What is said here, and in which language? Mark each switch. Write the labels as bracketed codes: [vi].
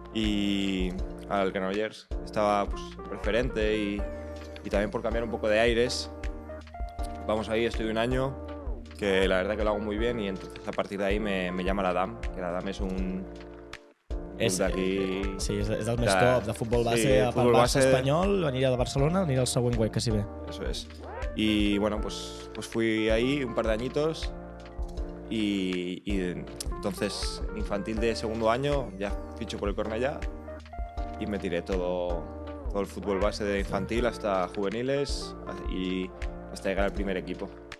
[es] Y al Granollers estaba, pues, preferente y también por cambiar un poco de aires. Vamos ahí, estoy un año, que la verdad que lo hago muy bien, y entonces a partir de ahí me llama la DAM, que la DAM es un... [ca] És d'aquí... Sí, és el més top de futbol base, sí, a part futbol base espanyol, venir de Barcelona, venir al següent web, que s'hi ve. [es] Eso es. Y bueno, pues fui ahí un par de añitos, y entonces infantil de segundo año, ya ficho por el Cornellà, y me tiré todo el futbol base de infantil hasta juveniles y hasta llegar al primer equipo.